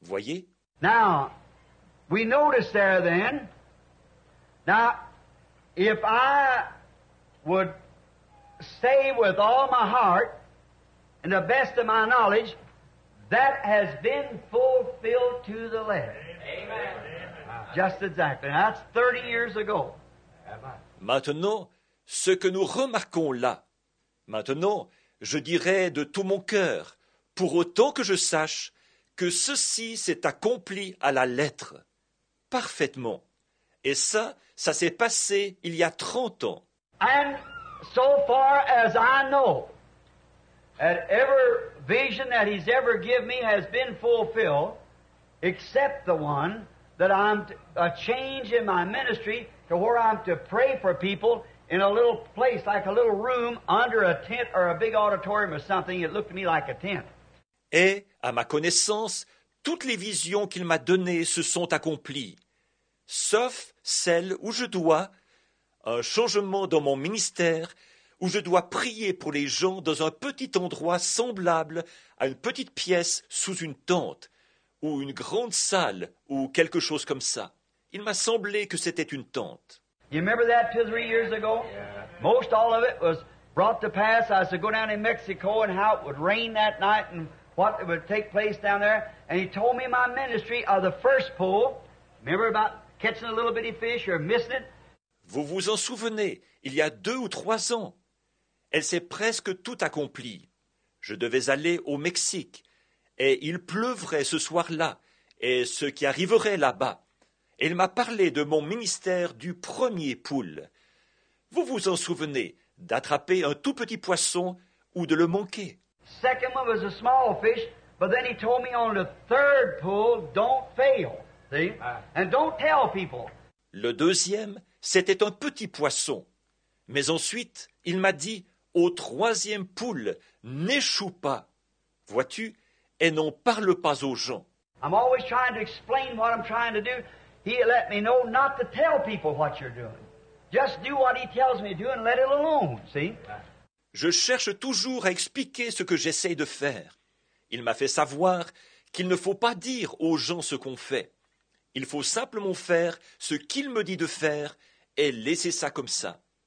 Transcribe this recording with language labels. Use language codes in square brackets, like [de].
[fr] Voyez. [en] Now, we notice there then, now, if I would say with all my heart and the best of my knowledge, that has been fulfilled to the letter. Amen. Just exactly. That's 30 years ago. [fr] Maintenant, ce que nous remarquons là, maintenant, je dirais de tout mon cœur, pour autant que je sache, que ceci s'est accompli à la lettre. Parfaitement. Et ça s'est passé il y a 30 ans. [en] And so far as I know, that every vision that he's ever given me has been fulfilled, except the one that I'm a change in my ministry to where I'm to pray for people in a little place, like a little room under a tent or a big auditorium or something. It looked to me like a tent. [fr] Et, à ma connaissance, toutes les visions qu'il m'a données se sont accomplies, sauf celle où je dois, un changement dans mon ministère, où je dois prier pour les gens dans un petit endroit semblable à une petite pièce sous une tente, ou une grande salle, ou quelque chose comme ça. Il m'a semblé que c'était une tente. [en] You remember that 2 or 3 years ago? Yeah. Most all of it was brought to pass. I said, go down in Mexico and how it would rain that night and what would take place down there. And he told me my ministry of the first pull. Remember about catching a little bitty fish or missing it? [fr] Vous vous en souvenez, il y a 2 ou 3 ans, elle s'est presque tout accomplie. Je devais aller au Mexique et il pleuvrait ce soir-là et ce qui arriverait là-bas. Il m'a parlé de mon ministère du premier poule. Vous vous en souvenez d'attraper un tout petit poisson ou de le manquer. [en] Second one was a small fish, but then he told me on the third pull, don't fail, see? And don't tell people. [fr] Le deuxième, c'était un petit poisson. Mais ensuite, il m'a dit, au troisième poule, n'échoue pas, vois-tu, et n'en parle pas aux gens. [en] I'm always trying to explain what I'm trying to do. He let me know not to tell people what you're doing. Just do what he tells me to do and let it alone, see? [fr] Je cherche toujours à expliquer ce que j'essaie de faire. Il m'a fait savoir qu'il ne faut pas dire aux gens ce qu'on fait. Il faut simplement faire ce qu'il me dit de faire et laisser ça comme ça.